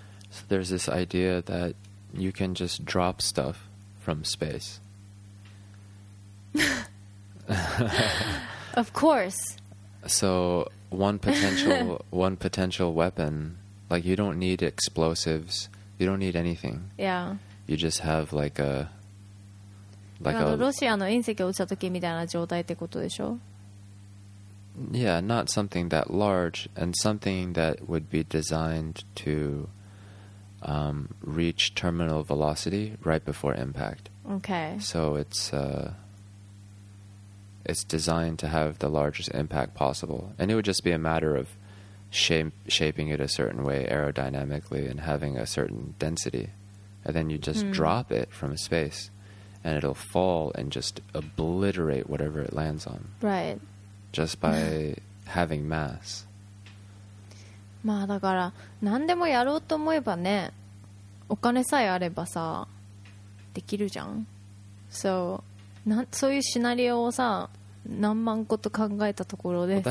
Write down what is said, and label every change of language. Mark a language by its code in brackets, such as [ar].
[en] So there's this idea that you can just drop stuff from space. Of course. So one potential weapon, like, you don't need explosives, you don't need anything. Yeah. You just have like a... [ja] Like ロシアの隕石落ちた時みたいな状態ってことでしょ? [en] Yeah, not something that large, and something that would be designed to reach terminal velocity right before impact. Okay. So it's designed to have the largest impact possible. And it would just be a matter of shaping it a certain way aerodynamically and having a certain density. And then you just drop it from space. And it'll fall and just obliterate whatever it lands on. Right. Just by having mass. [ja] まあだから何でもやろうと思えばね、お金さえあればさ、できるじゃん。 So, そういうシナリオをさ、何万個と考えたところでさ。